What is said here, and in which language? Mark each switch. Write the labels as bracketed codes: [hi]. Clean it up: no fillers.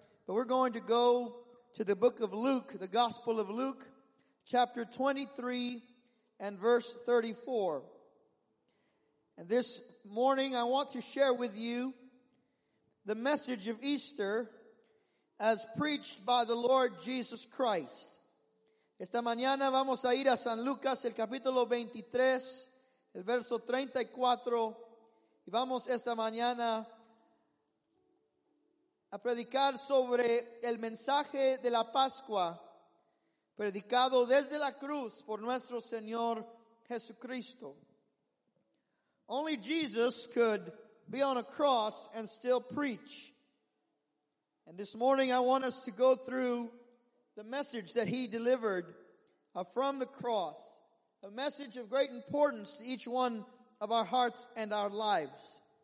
[en] But we're going to go to the book of Luke, the Gospel of Luke, chapter 23 and verse 34. And this morning I want to share with you the message of Easter as preached by the Lord Jesus Christ. [es] Esta mañana vamos a ir a San Lucas, el capítulo 23, el verso 34, y vamos esta mañana a predicar sobre el mensaje de la Pascua, predicado desde la cruz por nuestro Señor Jesucristo. [en] Only Jesus could be on a cross and still preach. And this morning I want us to go through the message that he delivered from the cross, a message of great importance to each one of our hearts and our lives.